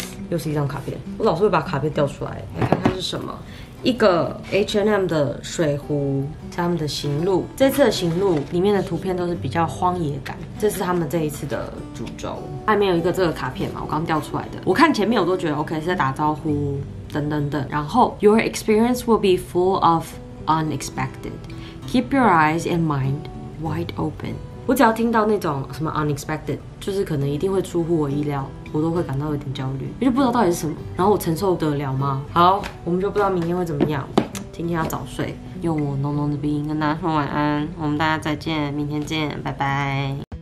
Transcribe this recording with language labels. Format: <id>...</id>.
<zh>又是一张卡片，我老是会把卡片掉出来，来看看是什么。一个 H&M 的水壶，他们的行路，这次的行路里面的图片都是比较荒野感，这是他们这一次的主轴。还没有一个这个卡片嘛，我刚掉出来的，我看前面我都觉得 OK 是在打招呼等等等。然后</zh> <en>Your experience will be full of unexpected. Keep your eyes and mind wide open.</en> <zh>我只要听到那种什么 unexpected， 就是可能一定会出乎我意料，我都会感到有点焦虑，因为不知道到底是什么，然后我承受得了吗？好，我们就不知道明天会怎么样，今天要早睡，用我浓浓的鼻音跟大家说晚安，我们大家再见，明天见，拜拜。</zh>